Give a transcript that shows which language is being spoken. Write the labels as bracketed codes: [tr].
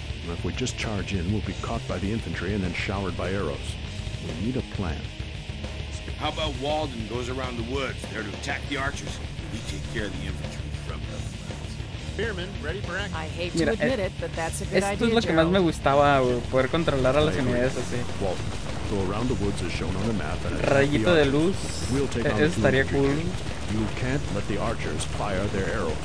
[en] If we just charge in, we'll be caught by the infantry and then showered by arrows. We need a plan. How about Walden goes around the woods there to attack the archers? We take care of the infantry from the Spearman, ready for action. I hate to admit it, but that's a good [es] esto [en] idea. [es] Esto es lo que más me gustaba, poder controlar a las unidades así. [en] Walden, go around the woods as shown on the map. [es] Rayito de luz. [en] We'll take [es] eso estaría cool. [en] You can't let the archers fire their arrows.